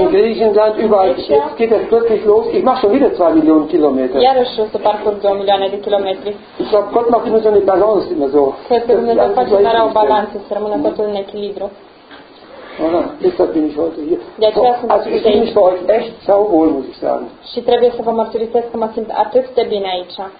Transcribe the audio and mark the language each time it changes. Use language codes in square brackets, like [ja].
[de] In Griechenland, überall. Jetzt geht das plötzlich los. Ich mache schon wieder 2 Millionen Kilometer. [ro] Iarăși o să parcurg 2 milioane de kilometri. [de] Ich glaube, Gott macht immer so eine Balance immer so. [ro] Cred că Dumnezeu face mereu o balanță, să rămână totul în echilibru. [de] Oh, deshalb bin ich heute hier. Also ich fühle mich bei euch echt sauwohl, muss ich sagen. [ro] Și trebuie să vă mărturisesc că mă simt atât de bine aici.